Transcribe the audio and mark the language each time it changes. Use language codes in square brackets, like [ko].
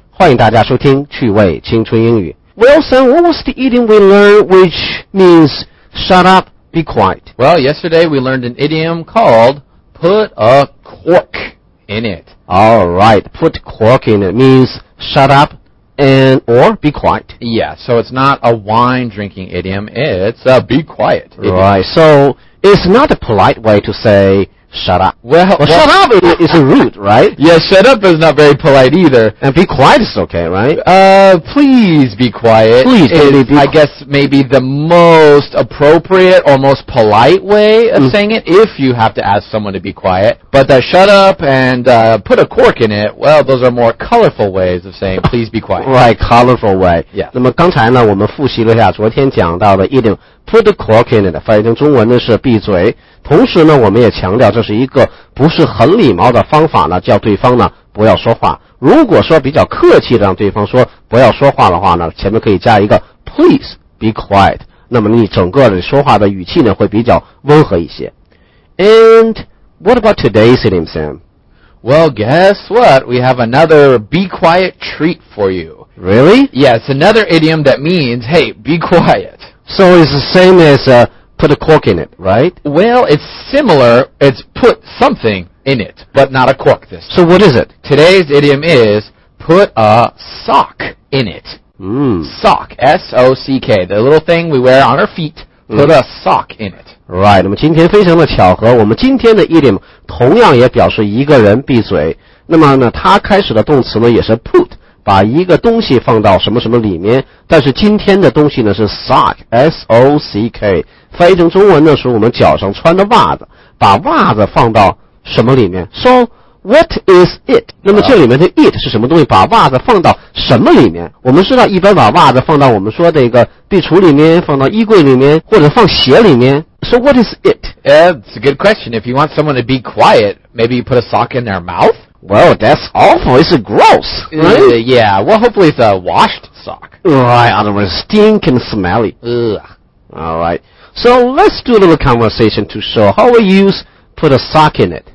[zh] 欢迎大家收听趣味青春英语。 [en] Wilson, what was the idiom we learned which means shut up, be quiet? Well, yesterday we learned an idiom called put a cork in it. All right, put cork in it means shut up and or be quiet. Yeah, so it's not a wine drinking idiom, it's a be quiet idiom. Right, so it's not a polite way to say... Shut up. Well, shut up is a rude, right? Yeah, shut up is not very polite either. And be quiet is okay, right? Please be quiet. Please, baby, be quiet. I guess maybe the most appropriate or most polite way of saying it, if you have to ask someone to be quiet. But the shut up and put a cork in it, well, those are more colorful ways of saying please be quiet. Right, colorful way. Yeah. [zh] 那么刚才呢，我们复习了一下昨天讲到的一点。 [en] Put a cork in it, [zh] 翻译成中文的是闭嘴。同时呢，我们也强调这是一个不是很礼貌的方法呢，叫对方呢不要说话。如果说比较客气的让对方说不要说话的话呢，前面可以加一个 [en] please be quiet。 [zh] 那么你整个的说话的语气呢会比较温和一些。 [en] And what about today's idiom, Sam? Well, guess what? We have another be quiet treat for you. Really? Yeah, it's another idiom that means, hey, be quiet. So it's the same as put a cork in it, right? Well, it's similar. It's put something in it, but not a cork this time. So what is it? Today's idiom is put a sock in it. Sock, S-O-C-K, the little thing we wear on our feet, put a sock in it. Right, [zh] 那么今天非常的巧合，我们今天的 idiom 同样也表示一个人闭嘴。那么呢，它开始的动词呢也是 put。把一个东西放到什么什么里面，但是今天的东西呢是 sock, S-O-C-K, 翻译成中文呢是我们脚上穿的袜子，把袜子放到什么里面。 [en] So, what is it? [zh] 那么这里面的 it 是什么东西，把袜子放到什么里面。我们知道一般把袜子放到我们说的一个壁橱里面，放到衣柜里面，或者放鞋里面。 [en] So what is it? It's a good question. If you want someone to be quiet, maybe you put a sock in their mouth? Well, that's awful. It's gross, right? Yeah, well, hopefully it's a washed sock. Right, otherwise stink and smelly. Ugh. All right. So let's do a little conversation to show how we use put a sock in it.